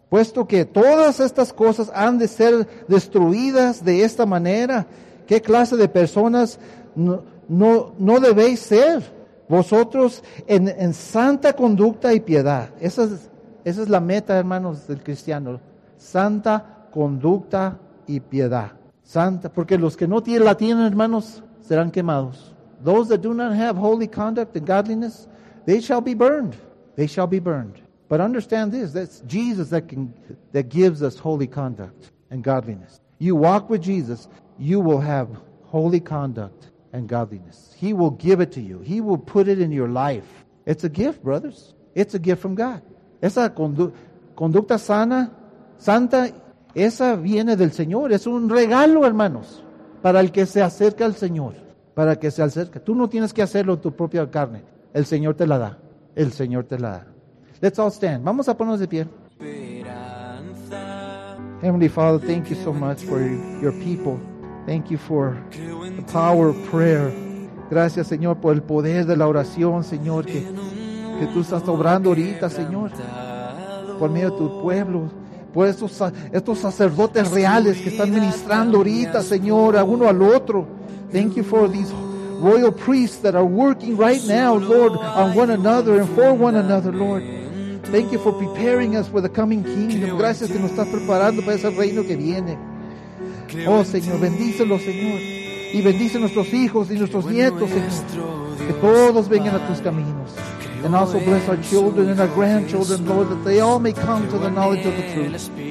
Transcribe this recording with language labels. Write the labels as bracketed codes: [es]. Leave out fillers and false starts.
[es] Puesto que todas estas cosas han de ser destruidas de esta manera, ¿qué clase de personas no debéis ser? Vosotros en santa conducta y piedad. Esa es la meta, hermanos, del cristiano. Santa conducta y piedad. Santa, porque los que no la tienen, hermanos, serán quemados. [en] Those that do not have holy conduct and godliness, they shall be burned. They shall be burned. But understand this, that's Jesus that gives us holy conduct and godliness. You walk with Jesus, you will have holy conduct and godliness. He will give it to you. He will put it in your life. It's a gift, brothers. It's a gift from God. [es] Esa conducta sana, santa, esa viene del Señor. Es un regalo, hermanos, para el que se acerca al Señor. Para que se acerque. Tú no tienes que hacerlo en tu propia carne. El Señor te la da. El Señor te la da. [en] Let's all stand. [es] Vamos a ponernos de pie. Esperanza. [en] Heavenly Father, thank you so much for your people. Thank you for the power of prayer. [es] Gracias, Señor, por el poder de la oración, Señor, que tú estás obrando ahorita, Señor, por medio de tu pueblo, por estos sacerdotes reales que están ministrando ahorita, Señor, a uno al otro. [en] Thank you for these royal priests that are working right now, Lord, on one another and for one another, Lord. Thank you for preparing us for the coming kingdom. [es] Gracias que nos estás preparando para ese reino que viene. Oh Señor, bendícelo, Señor, y bendice nuestros hijos y nuestros nietos, Señor, que todos vengan a tus caminos. [en] And also bless our children and our grandchildren, Lord, that they all may come to the knowledge of the truth.